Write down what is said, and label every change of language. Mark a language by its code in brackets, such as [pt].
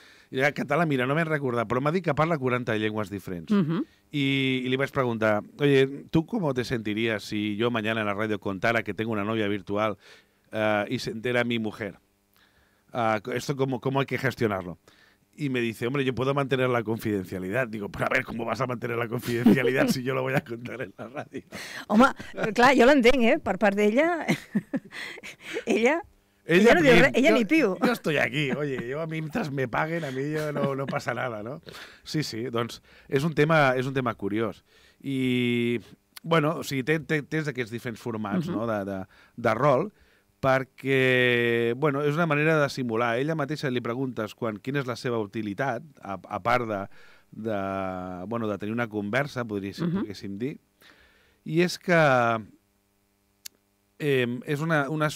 [ca] I el català, mira, no m'he recordat, però m'ha dit que parla 40 llengües diferents. I li vaig preguntar, [es] oye, ¿tú cómo te sentirías si yo mañana en la radio contara que tengo una novia virtual y se entera mi mujer? ¿Esto cómo hay que gestionarlo? Y me dice, hombre, yo puedo mantener la confidencialidad. Digo, pero a ver, ¿cómo vas a mantener la confidencialidad si yo lo voy a contar en la radio? [ca] Home, clar, jo l'entenc, per part d'ella. Ella no diu res, ella ni piu. [es] Jo estoy aquí, oye, yo a mí mientras me paguen, a mí yo no pasa nada, ¿no? [ca] Sí, sí, doncs és un tema curiós. I, bueno, o sigui, tens aquests diferents formats, no?, de rol, perquè, bueno, és una manera de simular. Ella mateixa li preguntes quina és la seva utilitat, a part de tenir una conversa, podríem dir, i és que és una...